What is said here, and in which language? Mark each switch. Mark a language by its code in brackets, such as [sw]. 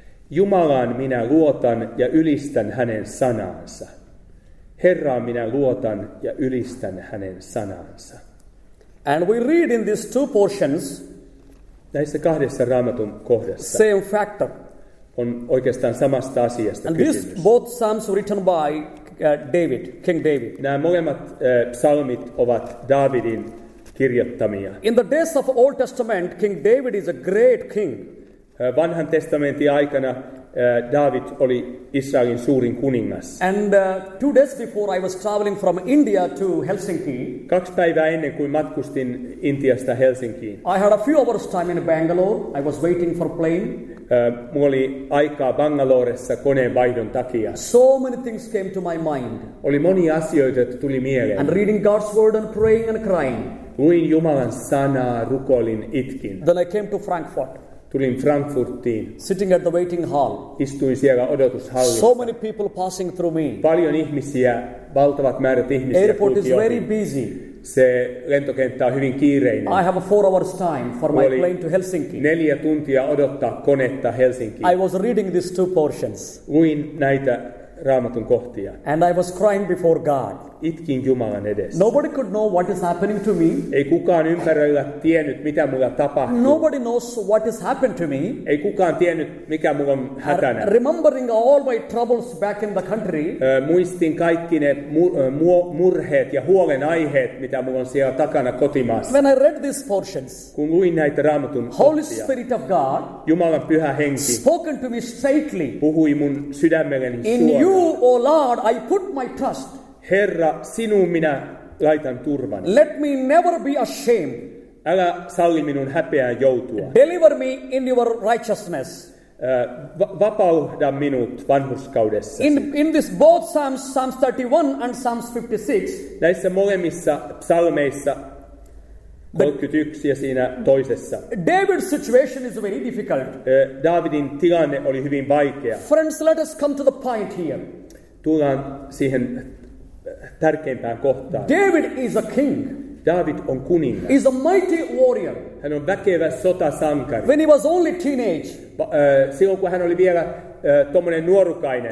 [fi] Jumalaan minä luotan ja ylistän hänen sanaansa. Herraan minä luotan ja ylistän hänen sanaansa. [en] And we read in these two portions, [fi] näissä kahdessa Raamatun kohdassa, [en] same factor, [fi] on oikeastaan samasta asiasta [en] and [fi] kysymys. [en] And these both psalms written by David, King David. [fi] Nämä molemmat psalmit ovat Daavidin kirjoittamia. [en] In the days of Old Testament, King David is a great king. [fi] Vanhan testamentin aikana David oli Israelin suurin kuningas. [en] And 2 days before I was traveling from India to Helsinki. [fi] 2 päivää ennen kuin matkustin Intiasta Helsinkiin. [en] I had a few hours time in Bangalore. I was waiting for plane. [fi] Mulla oli aikaa Bangaloressa koneen vaihdon takia. [en] So many things came to my mind. [fi] Oli monia asioita, jotka tuli mieleen. [en] And reading God's word and praying and crying. [fi] Luin Jumalan sanaa, rukoilin, itkin. [en] Then I came to Frankfurt. [fi] Tulin Frankfurtiin. [en] Sitting at the waiting hall. [fi] Istuin siellä odotushallissa. [en] So many people passing through me. [fi] Paljon ihmisiä, valtavat määrät ihmisiä. [en] Airport is very busy. [fi] Se lentokenttä on hyvin kiireinen. [en] I have a 4 hours time for my plane to Helsinki. [fi] 4 tuntia odottaa konetta Helsinkiin. [en] I was reading these two portions. [fi] Luin näitä Raamatun kohtia. [en] And I was crying before God. [fi] Itkin Jumalan edessä. [en] Nobody could know what is happening to me. [fi] Ei kukaan ympärillä tiennyt, mitä mulla tapahtuu. [en] Nobody knows what has happened to me. [fi] Ei kukaan tiennyt, mikä mulla on hätänä. [en] Remembering all my troubles back in the country. [fi] Muistin kaikki ne murheet ja huolenaiheet, mitä mulla on siellä takana kotimaassa. [en] When I read these portions. [fi] Kun luin näitä Raamatun kohtia. [en] Holy Spirit of God. [fi] Jumalan pyhä henki. [en] Spoken to me straightly. [fi] Puhui mun sydämelleni suoraan. [en] In you, O Lord, I put my trust. [fi] Herra, sinuun minä laitan turvani. [en] Let me never be ashamed. [fi] Älä salli minun häpeään joutua. [en] Deliver me in your righteousness. [fi] Vapauda minut vanhurskaudessa. [en] In this both Psalms, Psalms 31 and Psalms 56. [fi] Näissä molemmissa psalmeissa, 31 ja siinä toisessa. [en] David's situation is very difficult. [fi] Davidin tilanne oli hyvin vaikea. [en] Friends, let us come to the point here. [fi] Tullaan siihen tärkeimpään kohtaan. [en] David is a king. [fi] David on kuningas. [en] He is a mighty warrior. [fi] Hän on väkevä sotasankari. [en] When he was only teenage. [fi] Silloin kun hän oli vielä tommonen nuorukainen.